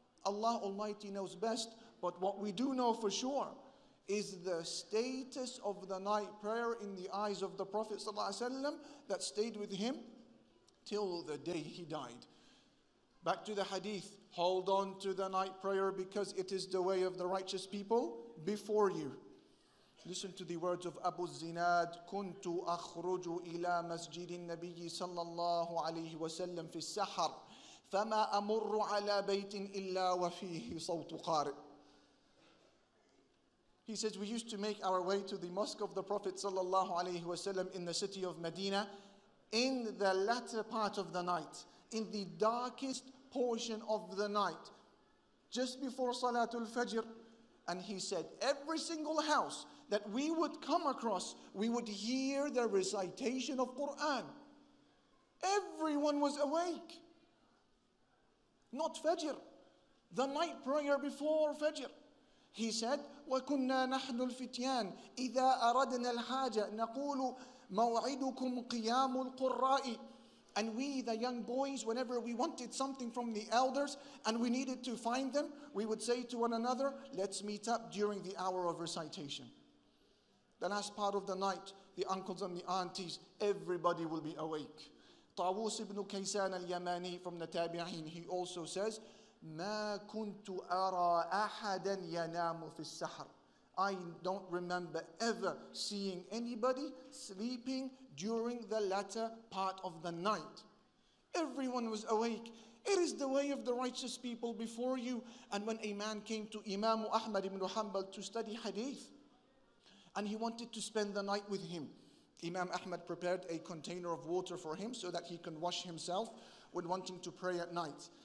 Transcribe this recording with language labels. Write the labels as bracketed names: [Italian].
[English] Allah Almighty knows best. But what we do know for sure is the status of the night prayer in the eyes of the Prophet ﷺ that stayed with him till the day he died. Back to the hadith, hold on to the night prayer because it is the way of the righteous people before you. Listen to the words of Abu Zinad, [Arabic] كُنْتُ أَخْرُجُ إِلَىٰ مَسْجِدِ النَّبِيِّ صَلَّى اللَّهُ عَلَيْهِ وَسَلَّمْ فِي السَّحَرِ فَمَا أَمُرُّ عَلَىٰ بَيْتٍ إِلَّا وَفِيهِ صَوْتُ قَارِئٍ. [English] He says, we used to make our way to the mosque of the Prophet sallallahu alayhi wasallam in the city of Medina in the latter part of the night, in the darkest portion of the night, just before Salatul Fajr. And he said, every single house that we would come across, we would hear the recitation of Quran. Everyone was awake. Not Fajr, the night prayer before Fajr. He said, [Arabic] وَكُنَّا نَحْنُ الْفِتْيَانِ إِذَا أَرَدْنَا الْحَاجَ نَقُولُ مَوْعِدُكُمْ قِيَامُ الْقُرَّاءِ. [English] And we, the young boys, whenever we wanted something from the elders and we needed to find them, we would say to one another, let's meet up during the hour of recitation. The last part of the night, the uncles and the aunties, everybody will be awake. [Arabic] طاووس ibn كيسان اليماني [English] from the [Arabic] تابعين, [English] he also says, [Arabic] مَا كُنْتُ أَرَىٰ أَحَدًا يَنَامُ فِي السَّحْرِ. [English] I don't remember ever seeing anybody sleeping during the latter part of the night. Everyone was awake. It is the way of the righteous people before you. And when a man came to Imam Ahmad ibn Hanbal to study hadith, and he wanted to spend the night with him, Imam Ahmad prepared a container of water for him so that he can wash himself when wanting to pray at night.